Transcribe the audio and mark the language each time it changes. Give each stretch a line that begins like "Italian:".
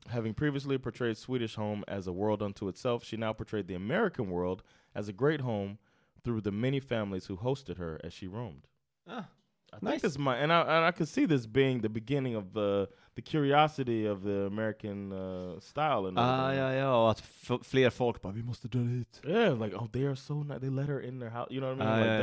English: Having previously portrayed Swedish home as a world unto itself, she now portrayed the American world as a great home through the many families who hosted her as she roamed. Ah, I think this might, and I could see this being the beginning of the curiosity of the American style. Ah, yeah, yeah.
Swedish: Och att fler folk bara, vi måste dra hit.
English: Yeah, like, oh, they are so nice. They let her in their house. You know what I mean?